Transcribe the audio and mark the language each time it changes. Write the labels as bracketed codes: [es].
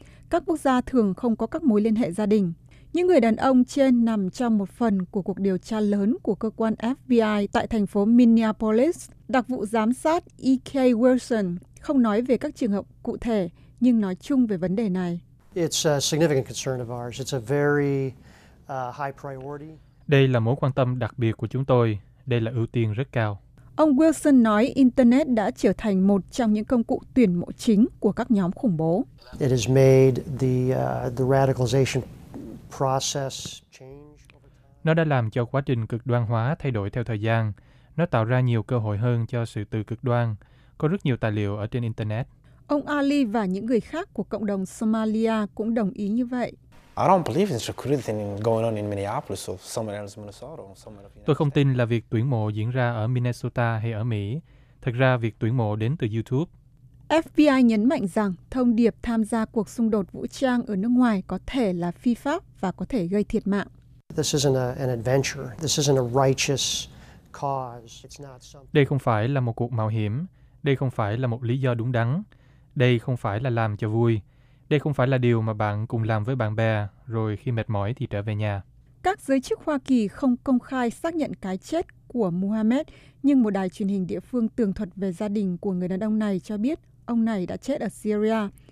[vi] Các quốc gia thường không có các mối liên hệ gia đình. Những người đàn ông trên nằm trong một phần của cuộc điều tra lớn của cơ quan FBI tại thành phố Minneapolis. Đặc vụ giám sát E.K. Wilson không nói về các trường hợp cụ thể, nhưng nói chung về vấn đề này. [en] It's a significant concern of ours. It's a very high priority. [vi] Đây là mối quan tâm đặc biệt của chúng tôi. Đây là ưu tiên rất cao. Ông Wilson nói Internet đã trở thành một trong những công cụ tuyển mộ chính của các nhóm khủng bố. [en] It has made the radicalization process change. [vi] Nó đã làm cho quá trình cực đoan hóa thay đổi theo thời gian. Nó tạo ra nhiều cơ hội hơn cho sự tự cực đoan. Có rất nhiều tài liệu ở trên Internet. Ông Ali và những người khác của cộng đồng Somalia cũng đồng ý như vậy. Tôi không tin là việc tuyển mộ diễn ra ở Minnesota hay ở Mỹ. Thực ra, việc tuyển mộ đến từ YouTube. FBI nhấn mạnh rằng thông điệp tham gia cuộc xung đột vũ trang ở nước ngoài có thể là phi pháp và có thể gây thiệt mạng. [en] This isn't an adventure. This isn't a righteous cause. It's not something. [vi] Đây không phải là một cuộc mạo hiểm. Đây không phải là một lý do đúng đắn. Đây không phải là làm cho vui. Đây không phải là điều mà bạn cùng làm với bạn bè, rồi khi mệt mỏi thì trở về nhà. Các giới chức Hoa Kỳ không công khai xác nhận cái chết của Muhammad, nhưng một đài truyền hình địa phương tường thuật về gia đình của người đàn ông này cho biết ông này đã chết ở Syria.